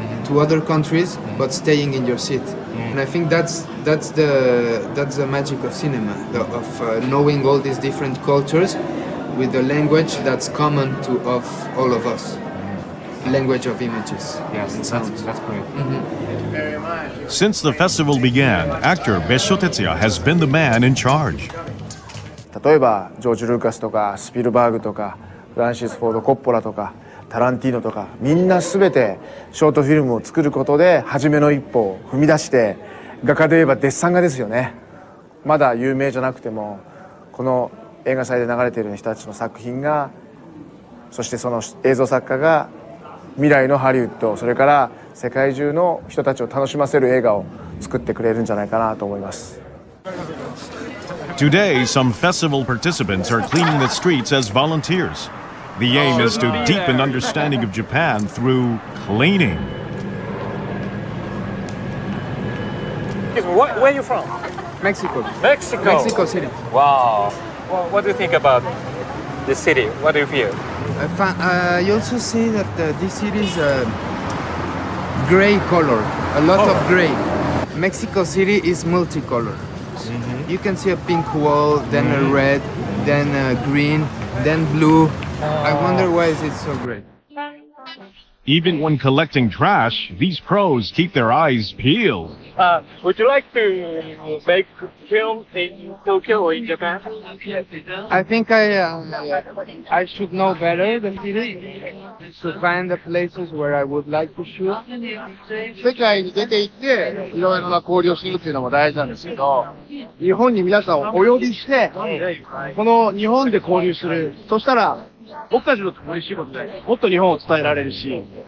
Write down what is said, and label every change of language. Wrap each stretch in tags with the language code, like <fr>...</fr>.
<en>to other countries, mm. but staying in your seat. Mm. And I think that's the magic of cinema, knowing all these different cultures with a language that's common to of all of us. Language of images. Yes, that's great. Mm-hmm. Since the festival began, actor Besho Tetsuya has been the man in charge.</en> <ja>例えばジョージ・ルーカスとかスピルバーグとかフランシス・フォード・コッポラとかタランティーノとかみんな全てショートフィルムを作ることで初めの一歩を踏み出して画家で言えばデッサン画ですよね。まだ有名じゃなくてもこの映画祭で流れている人たちの作品がそしてその映像作家が未来のハリウッドそれから世界中の人たちを楽しませる映画を作ってくれるんじゃないかなと思います。</ja> <en>Today, some festival participants are cleaning the streets as volunteers. The aim is to deepen understanding of Japan through cleaning. Excuse me, where are you from? Mexico. Mexico? Mexico City. Wow. Well, what do you think about this city? What do you feel? You also see that this city is a gray color, a lot of gray. Mexico City is multicolor. Mm-hmm. You can see a pink wall, then a red, then a green, then blue. I wonder why is it so great. Even when collecting trash, these pros keep their eyes peeled. Would you like to make film in Tokyo or in Japan? I think I should know better than he did to find the places where I would like to shoot.</en> <ja>世界に出て行って、いろいろな交流をするっていうのも大事なんですけど、日本に皆さんをお呼びして、この日本で交流する。そしたら、僕たちの嬉しいことで、もっと日本を伝えられるし。</ja>